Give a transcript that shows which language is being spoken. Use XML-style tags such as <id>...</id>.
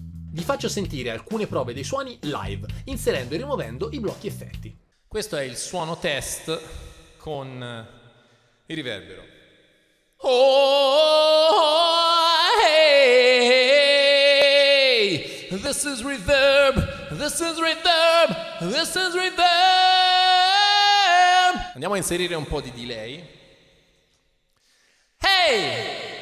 <it>Vi faccio sentire alcune prove dei suoni live, inserendo e rimuovendo i blocchi effetti. Questo è il suono test con il riverbero.</it> <en>Oh, hey, this is reverb, this is reverb, this is reverb.</en> <it>Andiamo a inserire un po' di delay. Hey!</it>